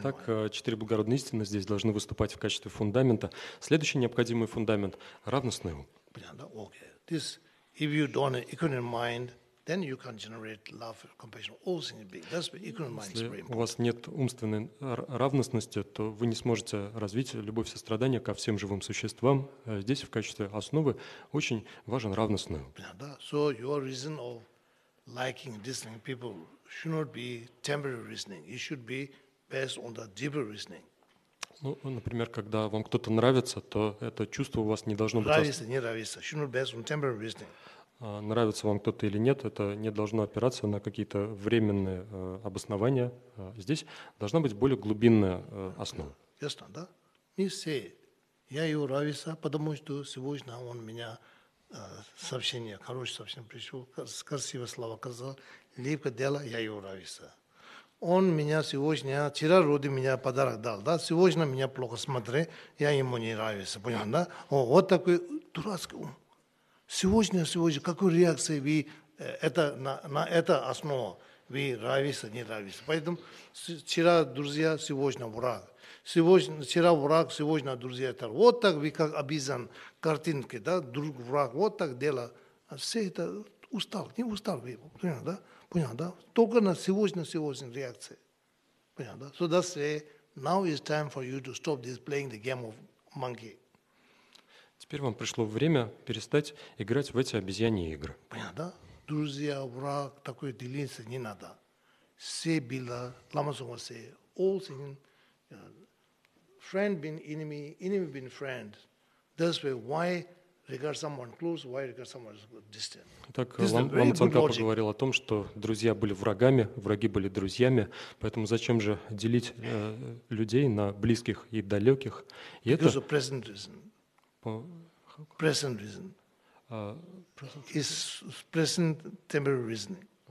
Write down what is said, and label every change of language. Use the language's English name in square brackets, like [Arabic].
[Russian] Итак, четыре благородные истины здесь должны выступать в качестве фундамента. Следующий необходимый фундамент — равностный ум. Понятно? [English] Okay. This, if you don't have equanimous mind, then you can generate love, compassion, all things being. That's what equal mind. [Russian] Если у вас нет умственной равностности, то вы не сможете развить любовь, сострадание ко всем живым существам. Здесь в качестве основы очень важен равностную. Да. [English] So your reason of liking, disliking people should not be temporary reasoning. It should be based on the deeper reasoning. [Russian] Ну, например, когда вам кто-то нравится, то это чувство у вас не должно быть... Нравится, не нравится. [English] Should not be based on temporary reasoning. [Russian] Нравится вам кто-то или нет, это не должно опираться на какие-то временные обоснования. Здесь должна быть более глубинная основа. Ясно, да? Мы все, я его нравится, потому что сегодня он меня сообщение, хорошее сообщение пришел, красивые слова сказал, липко дело, я его нравится. Он меня сегодня, вчера вроде меня подарок дал, да? Сегодня меня плохо смотрит, я ему не нравится, понял, да? О, вот такой дурацкий ум. Сегодня, сегодня, какую реакцию вы это, на это основу? Вы нравится, не нравится. Поэтому вчера друзья, сегодня враг. Сегодня, вчера враг, сегодня друзья. Это. Вот так вы как обязан картинки, да, друг враг, вот так дело. А все это устал, не устал вы, понял, да? Понял, да? Только на сегодня, сегодня реакция. Понял, да? [English] So that's why now is time for you to stop this playing the game of monkey. [Russian] Теперь вам пришло время перестать играть в эти обезьяньи игры. Понятно, да? Друзья, враг, такой делиться не надо. Все было, ламасома все, [English] all things, friend been enemy, enemy been friend. That's why regard someone close, why regard someone distant. [Russian] Итак, Ламасома поговорил о том, что друзья были врагами, враги были друзьями, поэтому зачем же делить людей на близких и далеких? И [English] because of present reason. Present reason. Is present temporary reasoning.